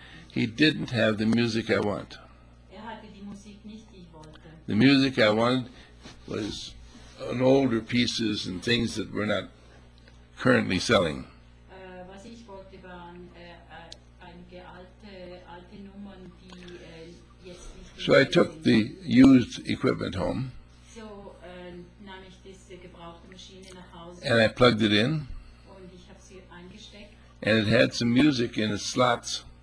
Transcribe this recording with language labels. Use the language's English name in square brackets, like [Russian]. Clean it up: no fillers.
[English] he didn't have the music I want. [German] Er hatte die Musik nicht, die ich wollte. [English] The music I wanted was an older pieces and things that were not currently selling. [German] Was ich wollte waren einige alte Nummern, die jetzt nicht. [English] So I took the used equipment home. [German] So nahm ich diese gebrauchte Maschine nach Hause. [English] And I plugged it in. [German] Und ich habe sie eingesteckt. [English] And it had some music in its slots.